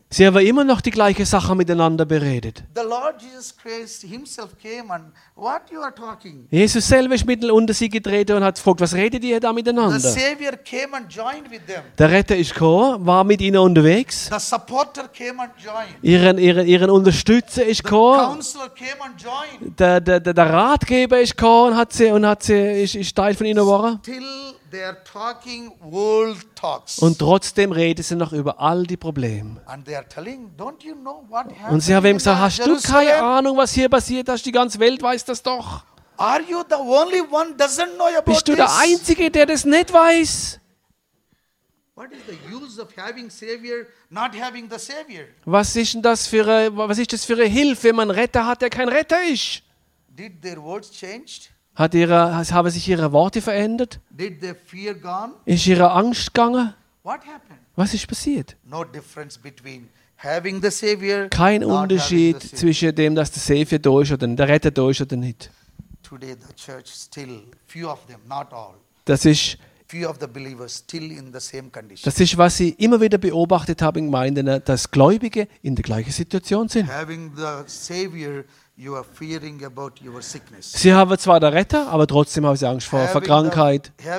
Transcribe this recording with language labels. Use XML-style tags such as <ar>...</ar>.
<de>Sie haben immer noch die gleiche Sache miteinander beredet.</de> <en>The Lord Jesus Christ himself came and what you are talking.</en> <de>Jesus selber ist mitten unter sie getreten und hat gefragt, was redet ihr da miteinander?</de> <en>The Savior came and joined with them.</en> <de>Der Retter ist gekommen, war mit ihnen unterwegs.</de> <en>The supporter came and joined.</en> <de>Ihren Unterstützer ist gekommen.</de> <en>The counselor came and joined.</en> <de>Der Ratgeber ist gekommen und hat sie Teil von ihnen geworden.</de> <en>Still they are talking old talks.</en> <de>Und trotzdem reden sie noch über all die Probleme.</de> <en>And they are telling, don't you know what happened?</en> <de>Und sie haben ihm gesagt, hast du keine Ahnung, was hier passiert ist? Die ganze Welt weiß das doch.</de> <en>Are you the only one doesn't know about this?</en> <de>Bist du der Einzige, der das nicht weiß?</de> <en>What is the use of having Savior, not having the Savior?</en> <de>Was ist das für eine Hilfe, wenn man einen Retter hat, der kein Retter ist?</de> <en>Did their words changed?</en> <de>Haben sich ihre Worte verändert?</de> <en>Did the fear gone?</en> <de>Ist ihre Angst gegangen?</de> <en>What happened?</en> <de>Was ist passiert?</de> <en>No difference between having the Savior,</en> <de>kein Unterschied the Savior. Zwischen dem, dass der Savior da ist oder der Retter da ist oder nicht.</de> <en>Today the church still few of them, not all.</en> <de>Das ist</de> <en>few of the believers still in the same condition.</en> <de>Das ist, was ich immer wieder beobachtet habe in Gemeinden, dass Gläubige in der gleichen Situation sind.</de> <en>Having the Savior, you are fearing about your sickness.</en> <de>Sie haben zwar den Retter, aber trotzdem haben sie Angst vor Krankheit.</de>